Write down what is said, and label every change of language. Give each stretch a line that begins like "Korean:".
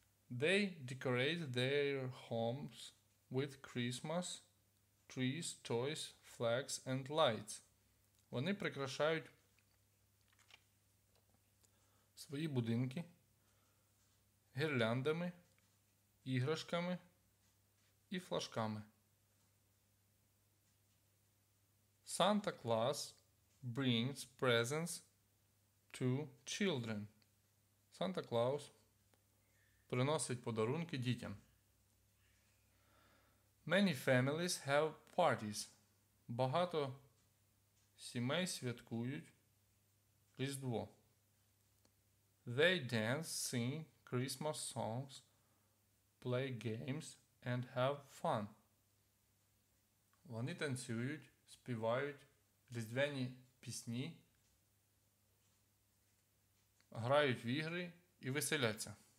English: They decorate their homes with Christmas trees, toys, flags and lights.
Ukrainian: Вони прикрашають свої будинки гірляндами, іграшками і флажками.
English: Santa Claus brings presents to children.
Ukrainian: Santa Claus приносить подарунки дітям.
English: Many families have parties.
Ukrainian: Багато сімей святкують Різдво.
English: They dance, sing Christmas songs, play games and have fun.
Ukrainian: Вони танцюють, співають різдвяні пісні, грають в ігри і веселяться.